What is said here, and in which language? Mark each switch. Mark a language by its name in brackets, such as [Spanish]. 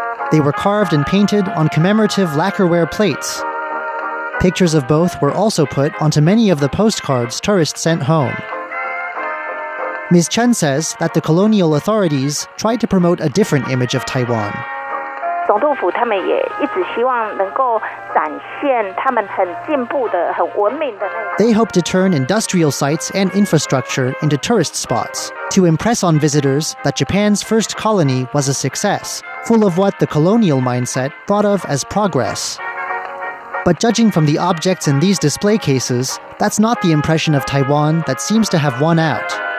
[English] They were carved and painted on commemorative lacquerware plates. Pictures of both were also put onto many of the postcards tourists sent home. Ms. Chen says that the colonial authorities tried to promote a different image of Taiwan. [Chinese] 总督府他们也一直希望能够展现他们很进步的、很文明的那种。 [English] They hope to turn industrial sites and infrastructure into tourist spots to impress on visitors that Japan's first colony was a success, full of what the colonial mindset thought of as progress. But judging from the objects in these display cases, that's not the impression of Taiwan that seems to have won out.